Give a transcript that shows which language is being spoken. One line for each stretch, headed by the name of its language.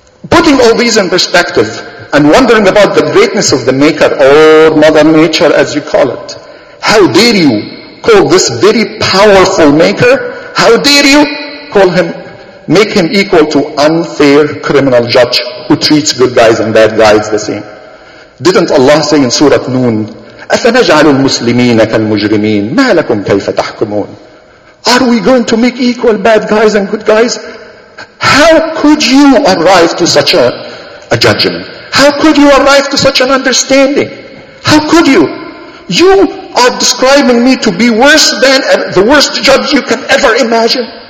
English: Putting all these in perspective and wondering about the greatness of the Maker or Mother Nature, as you call it. How dare you call this very powerful Maker? How dare you call him, make him equal to unfair criminal judge who treats good guys and bad guys the same? Didn't Allah say in Surah Noon,
Arabic: أَفَنَجْعَلُ الْمُسْلِمِينَ كَالْمُجْرِمِينَ مَا لَكُمْ كَيْفَ تَحْكُمُونَ?
English: Are we going to make equal bad guys and good guys? How could you arrive to such a judgment? How could you arrive to such an understanding? How could you? You are describing me to be worse than the worst judge you can ever imagine.